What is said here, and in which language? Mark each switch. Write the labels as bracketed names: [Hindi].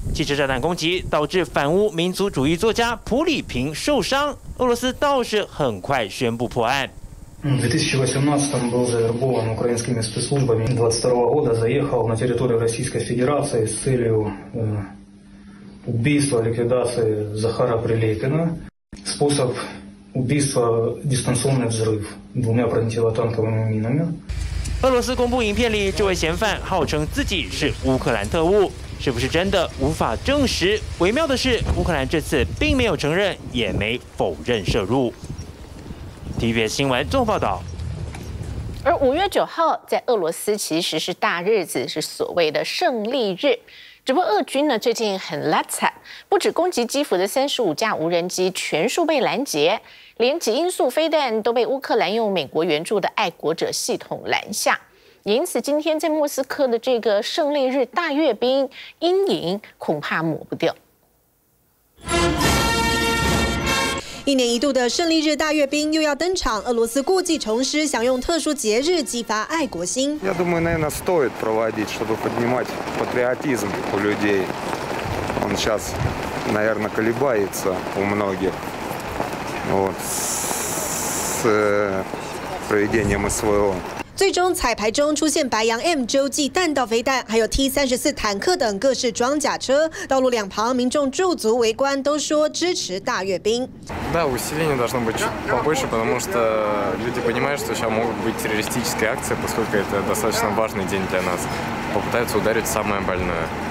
[Chinese] 汽车炸弹攻击导致反乌民族主义作家普里平受伤。俄罗斯倒是很快宣布破案。 [Russian] 2018-м был завербован украинскими спецслужбами. 22-го года заехал на территорию Российской Федерации с целью убийства, ликвидации Захара Прилепина. Способ убийства – дистанционный взрыв двумя противотанковыми минами. [Chinese] 俄罗斯公布影片里，这位嫌犯号称自己是乌克兰特务，是不是真的无法证实？微妙的是，乌克兰这次并没有承认，也没否认涉入。 TVBS 新闻综合报道。而五月九号在俄罗斯其实是大日子，是所谓的胜利日。只不过俄军呢最近很拉惨，不止攻击基辅的35架无人机全数被拦截，连极音速飞弹都被乌克兰用美国援助的爱国者系统拦下。因此，今天在莫斯科的这个胜利日大阅兵阴影恐怕抹不掉。一年一度的胜利日大阅兵又要登场，俄罗斯故技重施，想用特殊节日激发爱国心。 [Russian] Я думаю, наверное, стоит проводить, чтобы поднимать патриотизм у людей. Он сейчас, наверное, колебается у многих. Вот с проведением СВО. [Chinese] 最终彩排中出现白羊 M 洲际弹道飞弹，还有 T-34 坦克等各式装甲车，道路两旁民众驻足围观，都说支持大阅兵。 [Russian] Да, усиление должно быть чуть побольше, потому что люди понимают, что сейчас могут быть террористические акции, поскольку это достаточно важный день для нас. Попытаются ударить самое больное.